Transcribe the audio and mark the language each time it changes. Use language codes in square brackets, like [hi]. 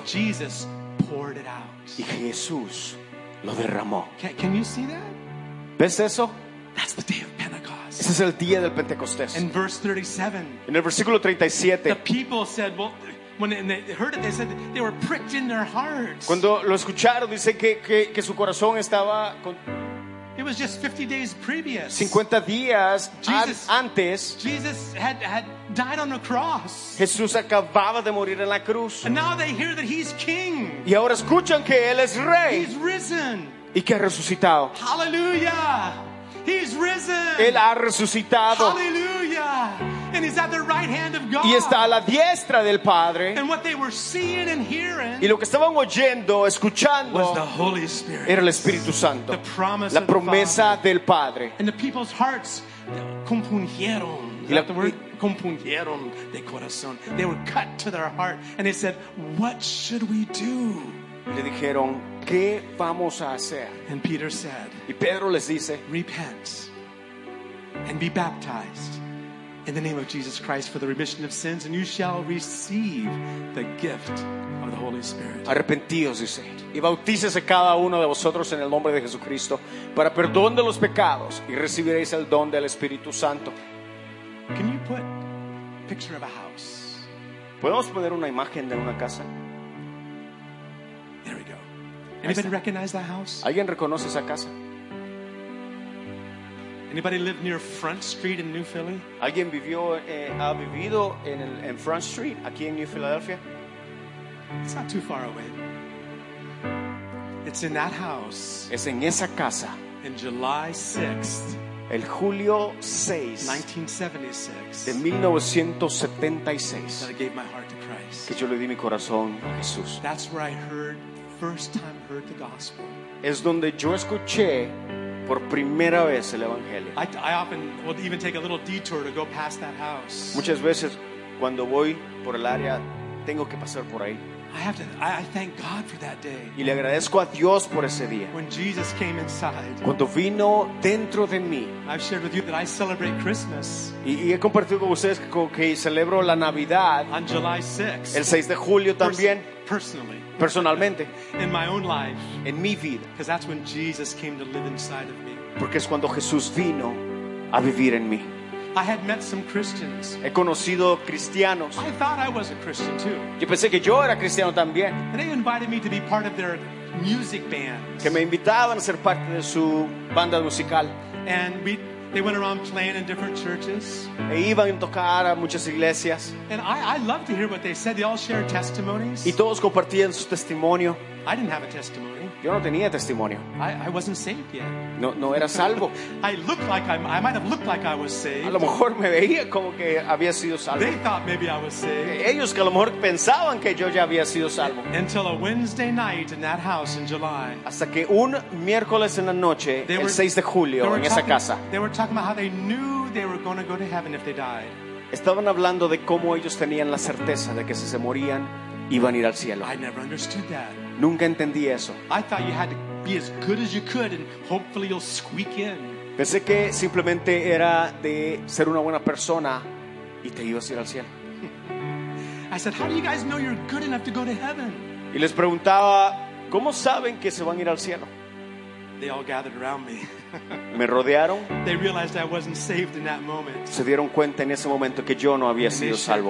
[en] And Jesus poured it out. [es] Y Jesús lo derramó. [en] Can you see that? [es] ¿Ves eso? [en] That's the day of Pentecost. [es] Ese es el día del Pentecostés. [en] In verse 37. [es] En el versículo 37. [en] The people said, when they heard it, they said they were pricked in their hearts. [es] Cuando lo escucharon, dice que su corazón estaba con [en] It was just 50 days previous. [es] 50 días antes. [en] Jesus had died on the cross. [es] Jesús acababa de morir en la cruz. [en] And now they hear that he's king. [es] Y ahora escuchan que él es rey. [en] He's risen. [es] Y que ha resucitado. [en] Hallelujah. He's risen. [es] Él ha resucitado. [en] Hallelujah. And he's at the right hand of God. [es] Y está a la diestra del Padre. [en] And what they were seeing and hearing, [es] y lo que estaban oyendo, escuchando, [en] was the Holy Spirit. [es] Era el Espíritu Santo. [en] The promise, [es] la promesa [en] of the Father. [es] Del Padre. [en] And the people's hearts compungieron. Is that the word? [es] Compungieron de corazón. [en] They were cut to their heart, and they said, "What should we do?" [es] Le dijeron, ¿qué vamos a hacer? [en] And Peter said, [es] y Pedro les dice, [en] repent and be baptized in the name of Jesus Christ for the remission of sins, and you shall receive the gift of the Holy Spirit. [es] Arrepentíos, dice, y bautícese cada uno de vosotros en el nombre de Jesucristo para perdón de los pecados y recibiréis el don del Espíritu Santo. [en] Can you put a picture of a house? [es] ¿Podemos poner una imagen de una casa? [en] There we go. Anybody recognize that house? [es] ¿Alguien reconoce esa casa? [en] Anybody live near Front Street in New Philly? [es] ¿Alguien vivió, ha vivido en Front Street aquí en New Philadelphia? [en] It's not too far away. It's in that house. [es] Es en esa casa. [en] In July 6th. [es] El julio 6. [en] 1976. [es] De 1976. [en] That I gave my heart to Christ. [es] Que yo le di mi corazón a Jesús. [en] That's where I heard, first time heard the gospel. [es] Es donde yo escuché por primera vez el evangelio. [en] I often will even take a little detour to go past that house. [es] Muchas veces cuando voy por el área tengo que pasar por ahí. [en] I thank God for that day. [es] Y le agradezco a Dios por ese día. [en] When Jesus came inside. [es] Cuando vino dentro de mí. [en] I've shared with you that I celebrate Christmas. [es] Y he compartido con ustedes que celebro la Navidad. [en] On July 6th. [es] El 6 de julio también. [en] Personally. [es] Personalmente, [en] in my own life, [es] en mi vida, [en] because that's when Jesus came to live inside of me. [es] Porque es cuando Jesús vino a vivir en mí. [en] I had met some Christians. [es] He conocido cristianos. [en] I thought I was a Christian too. [es] Yo pensé que yo era cristiano también. [en] And they invited me to be part of their music band. [es] Que me invitaban a ser parte de su banda musical. [en] And they went around playing in different churches. [es] E iban a tocar a muchas iglesias. [en] And I loved to hear what they said. They all shared testimonies. [es] Y todos compartían su testimonio. [en] I didn't have a testimony. [es] Yo no tenía testimonio. [en] I wasn't saved yet. [es] No era salvo. [en] I might have looked like I was saved. [es] A lo mejor me veía como que había sido salvo. [en] They thought maybe I was saved. [es] Ellos que a lo mejor pensaban que yo ya había sido salvo. [en] Until a Wednesday night in that house in July. [es] Hasta que un miércoles en la noche, el 6 de julio, en esa casa. [en] They were talking about how they knew they were going to go to heaven if they died. [es] Estaban hablando de cómo ellos tenían la certeza de que si se morían iban a ir al cielo. [en] I never understood that. [es] Nunca entendí eso. [en] I thought you had to be as good as you could and hopefully you'll squeak in. [es] Pensé que simplemente era de ser una buena persona y te ibas a ir al cielo. [en] I said, how do you guys know you're good enough to go to heaven? [es] Y les preguntaba, ¿cómo saben que se van a ir al cielo? [en] They all gathered around me. [es] Me rodearon. [en] They realized I wasn't saved in that moment. [es] Se dieron cuenta en ese momento que yo no había sido salvo.